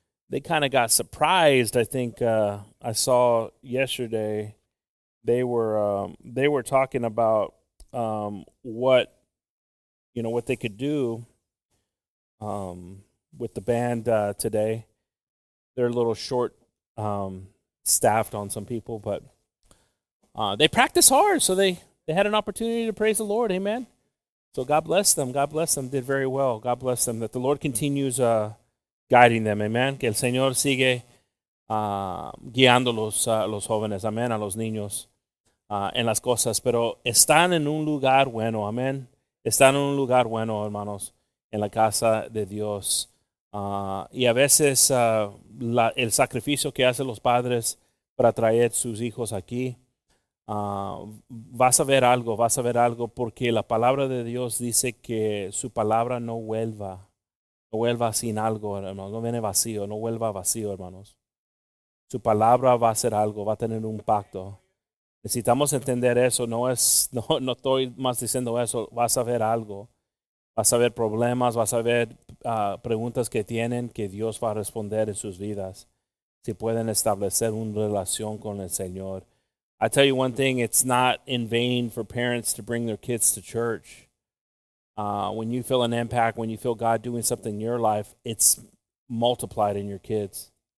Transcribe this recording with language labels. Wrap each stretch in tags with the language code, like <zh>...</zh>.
<en>They kind of got surprised, I think. I saw yesterday they were talking about what they could do with the band today. They're a little short staffed on some people, but they practice hard, so they had an opportunity to praise the Lord. Amen. So God bless them. God bless them. Did very well. God bless them. That the Lord continues guiding them. Amen.</en> <es>Que el Señor sigue guiando los jóvenes. Amen. A los niños en las cosas. Pero están en un lugar bueno. Amen. Están en un lugar bueno, hermanos, en la casa de Dios. Y a veces el sacrificio que hacen los padres para traer sus hijos aquí, vas a ver algo, porque la palabra de Dios dice que su palabra no vuelva sin algo, hermanos, no viene vacío, no vuelva vacío, hermanos. Su palabra va a hacer algo, va a tener un pacto. Necesitamos entender eso, no estoy más diciendo eso, vas a ver algo, vas a ver problemas, vas a ver preguntas que tienen que Dios va a responder en sus vidas, si pueden establecer una relación con el Señor.</es> <en>I tell you one thing, it's not in vain for parents to bring their kids to church. When you feel an impact, when you feel God doing something in your life, it's multiplied in your kids.</en>